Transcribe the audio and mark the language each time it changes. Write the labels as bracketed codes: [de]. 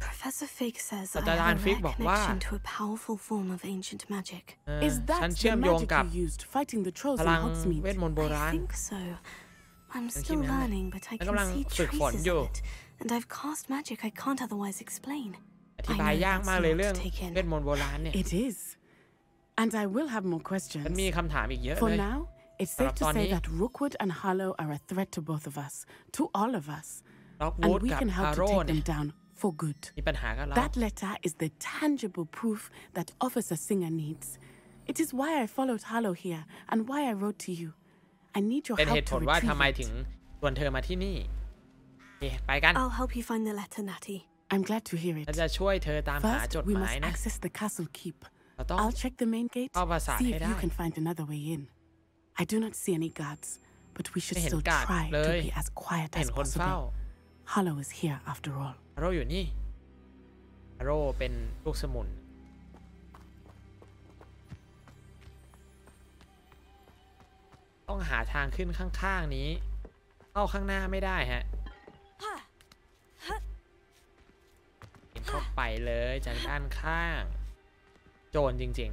[en] Professor Fig says I have a connection to a powerful form of ancient magic. Is that the magic you used fighting the trolls in Hogsmeade? I think so. I'm still learning, but I can see traces of it. And I've cast magic I can't otherwise explain. [th] อธิบายยากมากเลยเรื่องเวทมนต์โบราณเนี่ย [en] It is. And I will have more questions. [th] มันมีคำถามอีกเยอะเลย [en] For now, it's safe to say that Rookwood and Harlow are a threat to both of us, to all of us. And we can help to take them down for good. That letter is the tangible proof that Officer Singer needs. It is why I followed Harlow here and why I wrote to you. I need your help to retrieve it. Okay, I'll help you find the letter, Natty. I'm glad to hear it. First, we must access the castle keep. I'll check the main gate, see if you can find another way in. I do not see any guards, but we should still try to be as quiet as possible. Harlow is here after all. [th] Harlow อยู่นี่ Harlow เป็นลูกสมุนต้องหาทางขึ้นข้างๆนี้เข้าข้างหน้าไม่ได้ฮะเห็นเข้าไปเลยจากด้านข้างโจรจริง